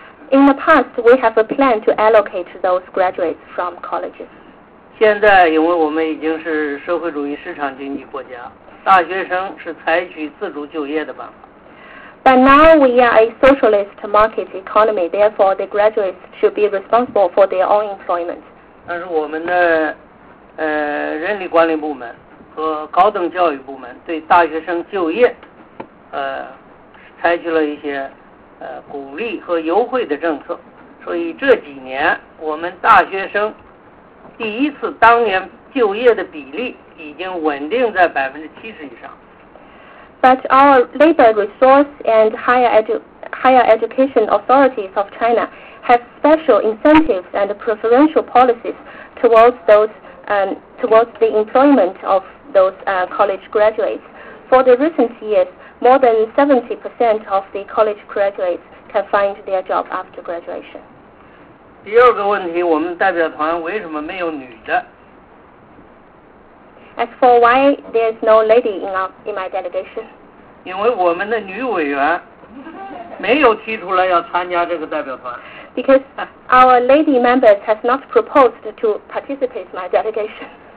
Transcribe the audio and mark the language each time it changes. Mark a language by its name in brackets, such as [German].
[English] In the past, we have a plan to allocate those graduates from colleges. [Chinese] 现在因为我们已经是社会主义市场经济国家，大学生是采取自主就业的方法。 [English] But now we are a socialist market economy, therefore the graduates should be responsible for their own employment. [Chinese] 但是我们的 人力管理部门和高等教育部门对大学生就业，采取了一些鼓励和优惠的政策，所以这几年我们大学生第一次当年就业的比例已经稳定在 70% 以上。 [English] But our labor resource and higher education authorities of China have special incentives and preferential policies towards those towards the employment of those college graduates. For the recent years, more than 70% of the college graduates can find their job after graduation. [Chinese] 第二个问题，我们代表团为什么没有女的？ [English] As for why there's no lady in my delegation? [Chinese] 因为我们的女委员没有提出来要参加这个代表团。 [English] Because our lady members has not proposed to participate in my delegation.